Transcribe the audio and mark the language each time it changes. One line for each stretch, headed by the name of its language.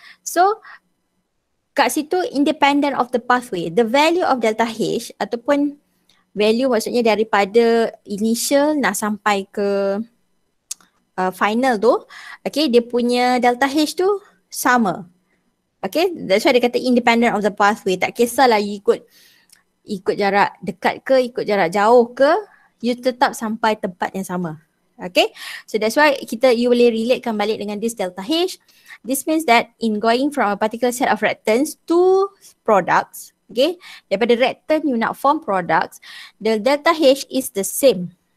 Malay: So, kat situ independent of the pathway, the value of delta H ataupun value maksudnya daripada initial nak sampai ke final tu, okay, dia punya delta H tu sama.
English: Okay, that's why
Malay: dia kata
English: independent of the pathway.
Malay: Tak kisahlah you ikut jarak dekat ke, ikut jarak jauh ke, you tetap sampai tempat yang sama.
English: Okay, so that's why you
Malay: boleh relatekan balik dengan
English: this delta H. This means that in going from a particular set of reactants to products, okay,
Malay: daripada reactant you nak form products,
English: the delta H is the same.